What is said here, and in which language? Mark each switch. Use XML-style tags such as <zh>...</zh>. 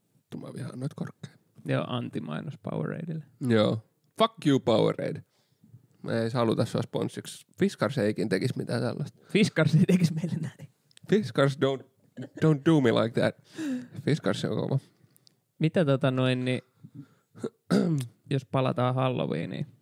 <fi>Tuo mä vihaan noit korkkeja. Joo, anti-mainos Poweradeille. Joo.</fi> <en>Fuck you, Powerade.</en> <fi>Me ei haluta sua sponssiksi. Fiskars eikin tekisi mitään tällaista. Fiskars ei tekisi meille näin.</fi> <en>Fiskars don't do me like that.</en> <fi>Fiskars on kova. Mitä jos palataan Halloweeniin.</fi>